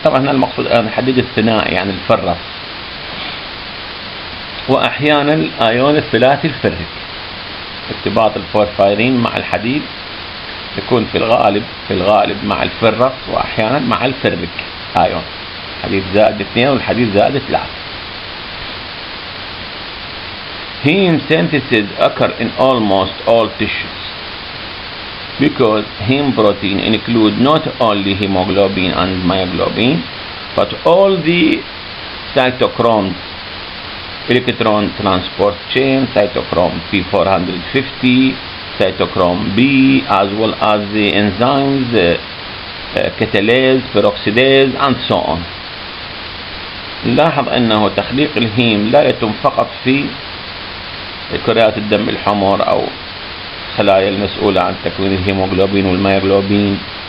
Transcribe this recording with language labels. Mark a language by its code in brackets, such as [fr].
[ar] طبعا هنا المقصود ايون الحديد الثنائي يعني الفرس، واحيانا الايون الثلاثي الفرك. ارتباط الفورفايرين مع الحديد يكون في الغالب مع الفرس واحيانا مع الفرك ايون. الحديد زائد 2 والحديد زائد 3. [en] Heme synthesis occur in almost all tissues because heme protein include not only hemoglobin and myoglobin but all the cytochromes, electron transport chain, cytochrome P450, cytochrome B, as well as the enzymes, catalase, peroxidase and so on. [ar] لاحظ انه تخليق الهيم لا يتم فقط في كريات الدم الحمر او خلايا المسؤولة عن تكوين الهيموغلوبين والمايوغلوبين